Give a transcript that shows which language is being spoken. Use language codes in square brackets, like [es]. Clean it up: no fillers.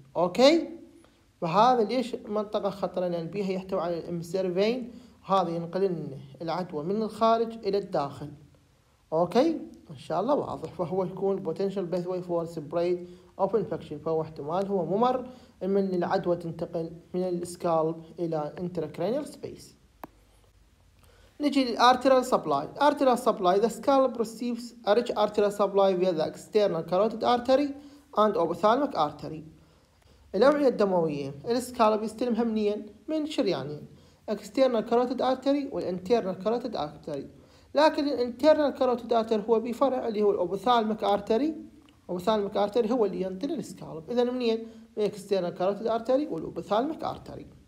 [ar] أوكي؟ فهذا ليش منطقة خطرة؟ لأن بيها يحتوي على الإمسير فين، هذا ينقل العدوى من الخارج إلى الداخل. أوكي؟ إن شاء الله واضح. فهو يكون [en] potential pathway for spread of infection، [ar] فهو احتمال هو ممر من العدوى تنتقل من السكالب إلى [en] intracranial space. [ar] نجي للarterial supply. [en] Arterial supply: the scalp receives a rich arterial supply via the external carotid artery and ophthalmic artery. [ar] الأوعية الدموية السكالب يستلمها منين؟ من شريانين: [en] external carotid artery [ar] وال [en] internal carotid artery. [ar] لكن الانترنال كاروتيد ارتري هو بفرع اللي هو الاوبثالميك ارتري، اوبثالميك ارتري هو اللي ينتقل للسكالب. اذا منين؟ من الاكسترنال كاروتيد ارتري والاوبثالميك ارتري.